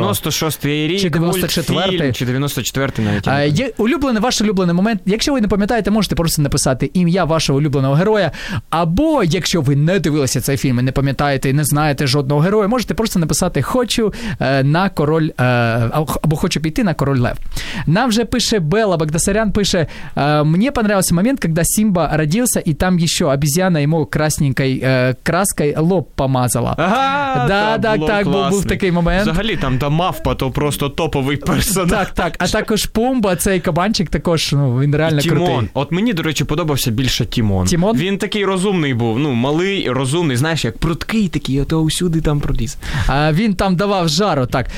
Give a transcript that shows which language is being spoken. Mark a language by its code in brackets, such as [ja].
[uk] 96-й рік, чи 94-й, мультфільм, чи 94-й навіть. Ваш улюблений момент. Якщо ви не пам'ятаєте, можете просто написати ім'я вашого улюбленого героя, або якщо ви не дивилися цей фільм і не пам'ятаєте і не знаєте жодного героя, можете просто написати «Хочу на король» або «Хочу піти на король лев». Нам вже пише Белла Багдасарян, пише [ru] «Мне понравился момент, когда Симба родился, и там еще обезьяна ему красненькой краской лоб помазала». [uk] Ага, да, так, так, був такий момент. Взагалі там та мавпа, то просто топовий персонаж. Так, так, а також Пумба, цей кабанчик також, ну, він реально крутий. Тимон. От мені, до речі, подобався більше Тімон. Тімон? Він такий розумний був, ну, малий, розумний, знаєш, як пруткий такий, ото усюди там проліз. А він там давав жару, так.